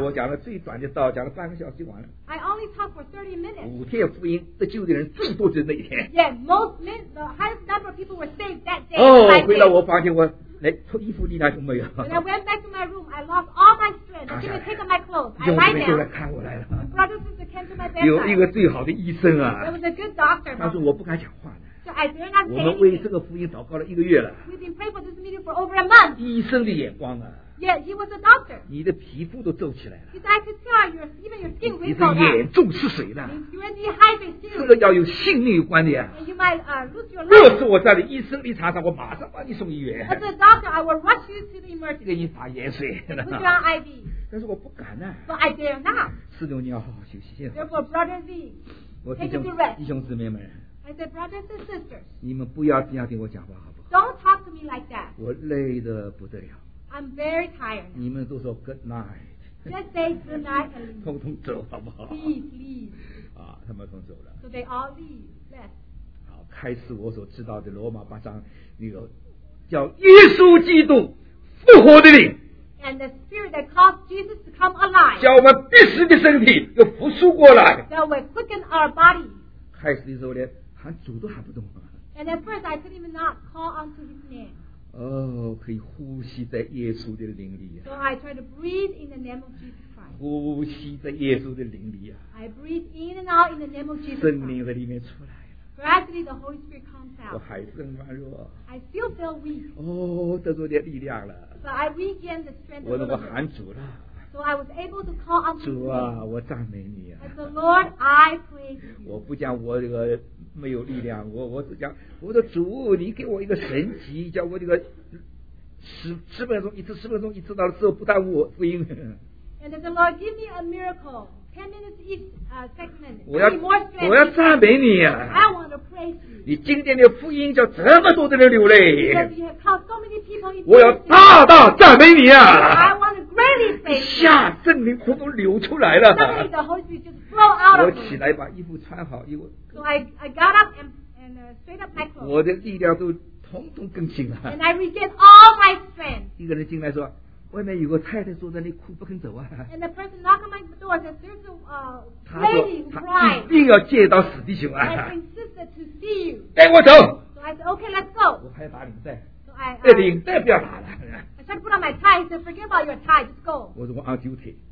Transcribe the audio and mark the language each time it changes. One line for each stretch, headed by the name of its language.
Chinese: 我讲了最短的道，讲了半个小时就完了。
English: I only talked for 30 minutes.
Chinese: 五天福音得救的人最多就是那一天。
English: Yeah, most men, the highest number of people were saved that day.
Chinese: 哦，回到我房间，我连脱衣服力量都没有。
English: When I went back to my room, I lost all my strength. Give me take off my clothes.
Chinese: 弟兄姊妹就来看我来了。
English: Brothers and sisters came to my bedside.
Chinese: 有一个最好的医生啊。
English: There was a good doctor.
Chinese: 当时我不敢讲话呢。
English: So I dare not say.
Chinese: 我们为这个福音祷告了一个月了。
English: We've been praying for this meeting for over a month.
Chinese: 医生的眼光啊。
English: Yeah, he was a doctor.
Chinese: 你的皮肤都皱起来了。
English: He said, I could tell your, even your skin wrinkled.
Chinese: 你的眼中是谁呢？
English: You're dehydrated.
Chinese: 这个要有性命有关的呀。
English: And you might lose your life.
Chinese: 若是我在你医生立场上，我马上把你送医院。
English: As a doctor, I will rush you to the emergency.
Chinese: 给你打盐水。
English: Put you on IV.
Chinese: 但是我不敢呢。
English: But I dare not.
Chinese: 四六你要好好休息。
English: Therefore, brother Z, take a good rest.
Chinese: 弟兄姊妹们。
English: I said, brothers and sisters.
Chinese: 你们不要这样跟我讲话好不好？
English: Don't talk to me like that.
Chinese: 我累得不得了。
English: I'm very tired.
Chinese: 你们都说
English: good night. Just say good night.
Chinese: 通通走好不好？
English: Please leave.
Chinese: 啊，他们通走了。
English: So they all leave. Left.
Chinese: 好，开始我所知道的罗马八章那个叫耶稣基督复活的灵。
English: And the spirit that caused Jesus to come alive.
Chinese: 叫我们必死的身体又复苏过来。
English: That will quicken our body.
Chinese: 开始的时候连喊主都喊不动。
English: And at first I could even not call unto his name.
Chinese: 哦、oh, ，可以呼吸在耶稣的灵里、啊。
English: So I try to breathe in the name of Jesus Christ.
Chinese: 呼吸在耶稣的灵里、啊、
English: I breathe in and out in the name of Jesus Christ.
Chinese: 圣灵在里面出来了。
English: Gradually the Holy Spirit comes out.
Chinese: 我还是很软弱。
English: I still feel weak.
Chinese: 哦、oh, ，得着点力量了。
English: But I regain the strength.
Chinese: 我能够喊主了。
English: So I was able to call on
Chinese: Jesus. 主啊，我赞美你啊。
English: As the Lord, I praise you.
Chinese: 我不讲我这个。没有力量，我只讲我的主，你给我一个神迹，叫我这个十分钟一次，十分钟一次，到了之后不耽误我福音。
English: And the Lord give me a miracle, 10 minutes each, segment.
Chinese: 我要赞美你啊！
English: I want to praise you.
Chinese: 你今天的福音叫这么多的人流泪。
English: Because you have caused so many people.
Chinese: 我要大大赞美你啊！
English: I want to greatly praise.
Chinese: 下圣灵通通流出来了。
English: Suddenly the Holy Spirit just flow out of me.
Chinese: 我起来把衣服穿好，因为
English: so I got up and straight up my clothes.
Chinese: 我的力量都通通更新了。
English: And I regain all my strength.
Chinese: 一个人进来说。外面有个太太坐在那里哭不肯走啊。
English: And the person knocked on my door and said, there's a lady who cried.
Chinese: 一定要见到死弟兄啊。
English: I insisted to see you.
Chinese: 带我走。
English: So I said, okay, let's go.
Chinese: 我还把领带。
English: So I,
Chinese: 带领带不要打了。
English: I tried to put on my tie. He said, forget about your tie, just go.
Chinese: 我说
English: on duty.